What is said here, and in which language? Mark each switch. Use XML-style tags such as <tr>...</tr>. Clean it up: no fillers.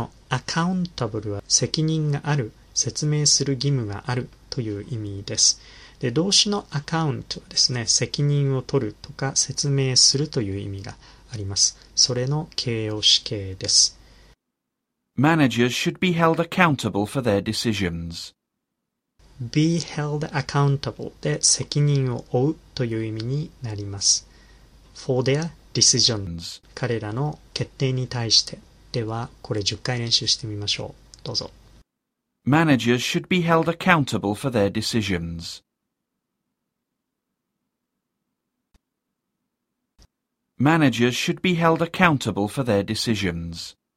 <ja>Accountable は責任がある、説明する義務があるという意味です。で、動詞の account はですね、責任を取るとか説明するという意味があります。それの形容詞形です。</ja> <en>Managers should be held accountable for their decisions. Be held accountable</en> <ja>で責任を負うという意味になります。</ja> <en>For their decisions</en> <ja>彼らの決定に対して。ではこれ10回練習してみましょう。どうぞ。</ja> <en>Managers should be held accountable for their decisions. Managers should be held accountable for their decisions.</en>